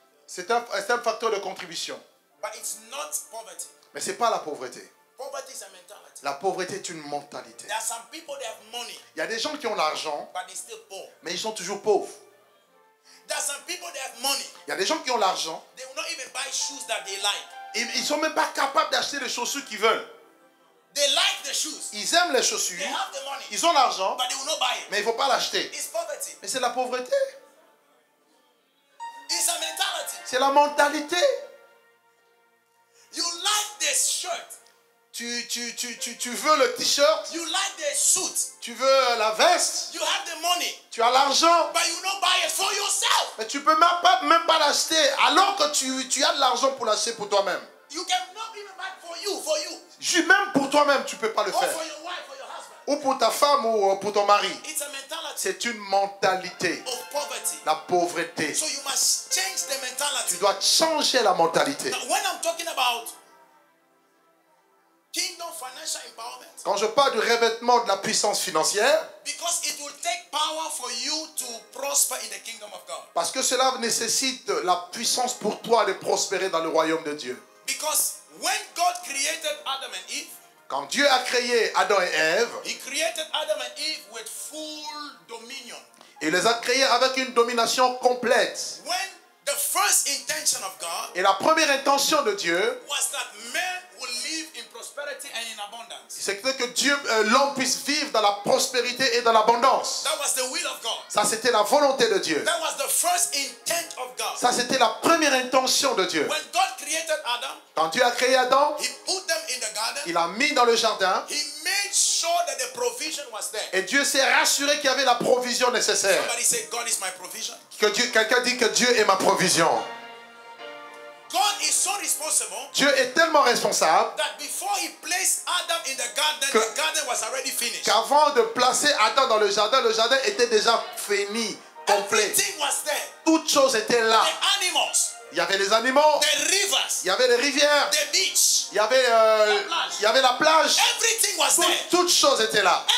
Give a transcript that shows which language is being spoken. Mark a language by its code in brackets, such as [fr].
[fr] C'est un facteur de contribution. [en] But it's not poverty. [fr] Mais ce n'est pas la pauvreté. [en] Poverty is a mentality. [fr] La pauvreté est une mentalité. [en] There are some people that have money, [fr] il y a des gens qui ont l'argent, [en] but they're still poor. [fr] Mais ils sont toujours pauvres. [en] There are some people that have money. [fr] Il y a des gens qui ont l'argent. [en] They will not even buy shoes that they like. [fr] Ils sont même pas capables d'acheter les chaussures qu'ils veulent. [en] They like the shoes. [fr] Ils aiment les chaussures. [en] They have the money. [fr] Ils ont l'argent. [en] But they will not buy it. [fr] Mais ils vont pas l'acheter. [en] It's poverty. [fr] Mais c'est la pauvreté. [en] It's a mentality. [fr] C'est la mentalité. [en] You like this shirt. [fr] Tu veux le t-shirt. [en] You like the suit. [fr] Tu veux la veste. [en] You have the money. [fr] Tu as l'argent. [en] But you don't buy it for yourself. [fr] Mais tu ne peux même pas l'acheter alors que tu as de l'argent pour l'acheter pour toi-même. [en] You cannot even buy it for you. [fr] Juste même pour toi-même, tu ne peux pas le [en] or [fr] faire. [en] For your wife, for your husband. [fr] Ou pour ta femme ou pour ton mari. [en] It's a mentality. [fr] C'est une mentalité. [en] Of poverty. [fr] La pauvreté. [en] So you must change the mentality. [fr] Tu dois changer la mentalité. [en] Now, when I'm talking about kingdom financial empowerment. [fr] Quand je parle du revêtement de la puissance financière, [en] because it will take power for you to prosper in the kingdom of God. [fr] Parce que cela nécessite la puissance pour toi de prospérer dans le royaume de Dieu. [en] Because when God created Adam and Eve, [fr] quand Dieu a créé Adam et Ève, [en] he created Adam and Eve with full dominion. [fr] Il les a créés avec une domination complète. [en] When the first intention of God, [fr] et la première intention de Dieu, [en] was that man will live in prosperity and in abundance. [fr] C'est que Dieu, l'homme puisse vivre dans la prospérité et dans l'abondance. [en] That was the will of God. [fr] Ça, c'était la volonté de Dieu. [en] That was the first intent of God. [fr] Ça, c'était la première intention de Dieu. [en] When God created Adam, [fr] quand Dieu a créé Adam, [en] he put them in the garden, [fr] il a mis dans le jardin. [en] He made sure that the provision was there. [fr] Et Dieu s'est rassuré qu'il y avait la provision nécessaire. [en] Somebody said, God is my provision. [fr] Que Dieu, quelqu'un dit que Dieu est ma provision. [en] God is so responsible. [fr] Dieu est tellement responsable. [en] That before he placed Adam in the garden, the garden was already finished. [fr] Qu'avant de placer Adam dans le jardin était déjà fini, complet. [en] Everything was there. [fr] Toutes choses étaient là. [en] The animals. [fr] Il y avait les animaux. [en] The rivers. [fr] Il y avait les rivières. [en] The beach. [fr] Il y avait la plage. [en] Everything was there. [fr] Toutes choses étaient là.